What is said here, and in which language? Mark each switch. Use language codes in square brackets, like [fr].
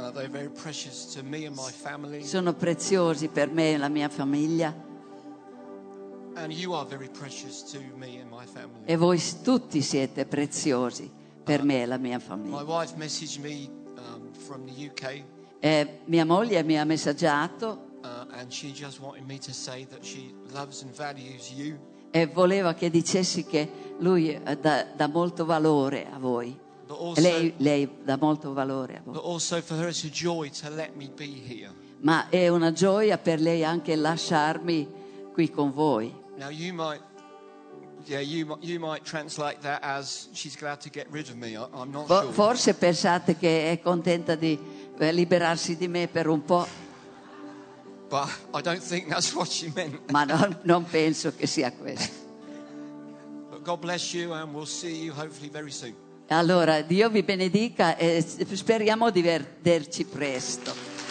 [en] They're very precious to me and my family. [it] Sono preziosi per me e la mia famiglia. [en] And you are very precious to me and my family. [it] E voi tutti siete preziosi per me e la mia famiglia. [en] My wife messaged me from the UK. [it] Mia moglie mi ha messaggiato. [en] And she just wanted me to say that she loves and values you. [it] E voleva che dicessi che lui dà molto valore a voi. [en] Also, [it] lei dà molto valore a voi. [en] But also for her it's a joy to let me be here. [it] Ma è una gioia per lei anche lasciarmi qui con voi. [en] Now you might, yeah, you might translate that as she's glad to get rid of me. I'm not sure. [it] Forse pensate che è contenta di liberarsi di me per un po'. [en] But I don't think that's what she meant. [it] Ma non penso che sia questo. [en] But God bless you, and we'll see you hopefully very soon. [it] Allora, Dio vi benedica e speriamo di vederci presto.